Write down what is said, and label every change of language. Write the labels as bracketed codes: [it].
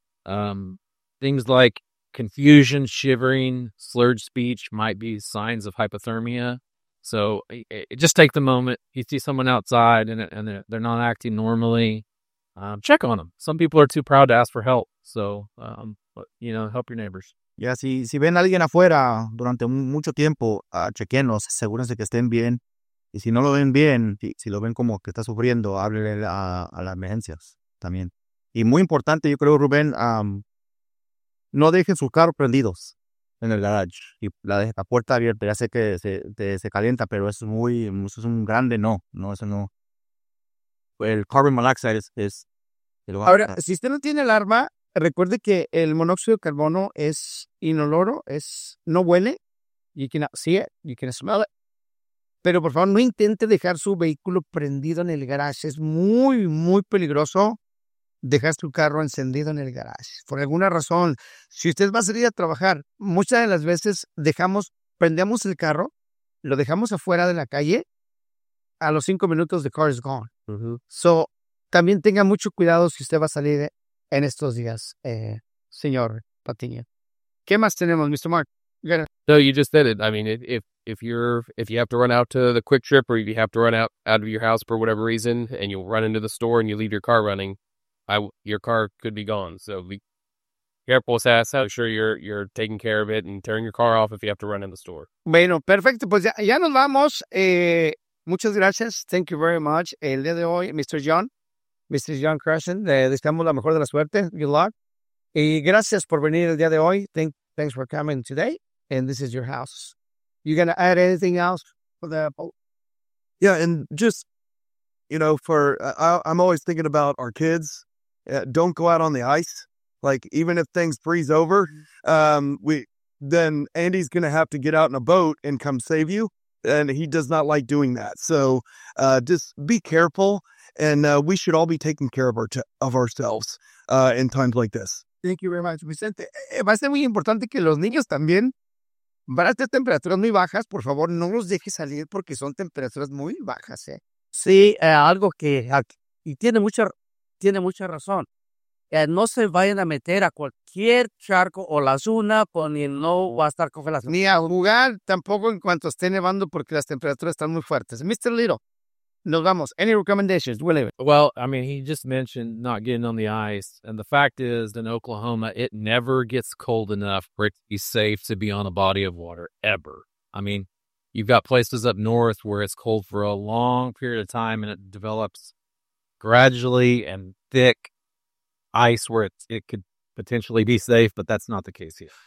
[en] Things like confusion, shivering, slurred speech might be signs of hypothermia. So just take the moment. You see someone outside, and they're not acting normally. Check on them. Some people are too proud to ask for help. So, you know, help your neighbors. [es] Yeah, si ven a alguien afuera durante mucho tiempo, chequenlos, asegúrense que estén bien. Y si no lo ven bien, si lo ven como que está sufriendo, háblele a las emergencias. también. Y muy importante, yo creo, Rubén, no dejen sus carros prendidos en el garage y la dejen la puerta abierta. Ya sé que se calienta, pero es muy, eso es un grande no. No, eso no. El [en] carbon monoxide [es] es el lugar. Ahora, si usted no tiene alarma, recuerde que el monóxido de carbono es inoloro, es, no huele. [en] You cannot see it, you cannot smell it. [es] Pero por favor, no intente dejar su vehículo prendido en el garage. Es muy, muy peligroso dejar su carro encendido en el garage. Por alguna razón, si usted va a salir a trabajar, muchas de las veces dejamos, prendemos el carro, lo dejamos afuera de la calle, a los 5 minutos [en] the car is gone. Uh-huh. [es] So, también tenga mucho cuidado si usted va a salir en estos días, señor Patiño. ¿Qué más tenemos, Mr. Mark? [en] No, you just said it. I mean, if you have to run out to the Quick Trip, or if you have to run out of your house for whatever reason, and you run into the store and you leave your car running, your car could be gone. So be careful, Sass. Make sure you're taking care of it and turning your car off if you have to run in the store. [es] Bueno, perfecto. Pues ya nos vamos. Muchas gracias. [en] Thank you very much. [es] El día de hoy, Mr. John Crescent, deseamos la mejor de la suerte. [en] Good luck. [es] Y gracias por venir el día de hoy. [en] Thanks for coming today. And this is your house. You gonna add anything else for the Apple? Yeah, and just, you know, I'm always thinking about our kids. Don't go out on the ice. Like, even if things freeze over, then Andy's gonna have to get out in a boat and come save you. And he does not like doing that. So just be careful. And we should all be taking care of ourselves in times like this. Thank you very much, Vicente. [es] Va a ser muy importante que los niños también van a tener temperaturas muy bajas. Por favor, no los dejes salir porque son temperaturas muy bajas. Sí, algo que... Y tiene mucha razón. No se vayan a meter a cualquier charco o lazuna porque no va a estar congelado. Ni a jugar tampoco en cuanto esté nevando porque las temperaturas están muy fuertes. [en] Mr. Little. [es] Nos vamos. [en] Any recommendations? We'll leave it. Well, I mean, he just mentioned not getting on the ice. And the fact is, in Oklahoma, it never gets cold enough for it to be safe to be on a body of water, ever. I mean, you've got places up north where it's cold for a long period of time and it develops gradually and thick ice where it could potentially be safe, but that's not the case here.